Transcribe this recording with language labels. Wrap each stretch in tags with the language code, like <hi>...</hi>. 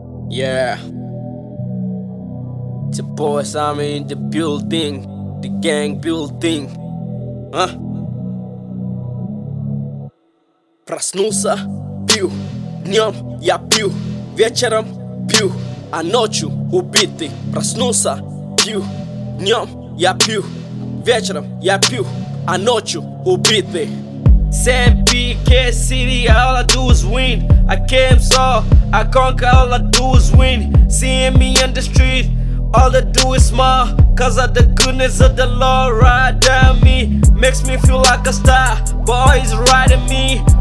<en>Yeah, the boys are in the building, the gang building.</en> <ru>Проснулся, пью, днем я пью, вечером пью, а ночью убитый. Проснулся, пью, днем я пью, вечером я пью, а ночью убитый.</ru> <en>Sam PK City, all I do is win. I came so I conquer, all I do is win. Seeing me on the street, all I do is smile. Cause of the goodness of the Lord riding me. Makes me feel like a star, boys riding me.</en>